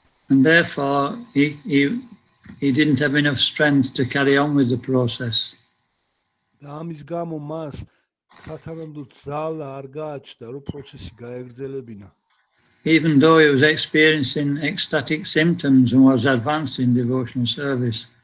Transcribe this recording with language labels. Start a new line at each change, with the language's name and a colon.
English: And therefore he didn't have enough strength to carry on with the process.
Georgian: და ამის გამო მას სათანადოდ ძალა არ გააჩნდა რომ პროცესი გაეგრძელებინა.
English: Even though he was experiencing ecstatic symptoms and was advancing devotional service.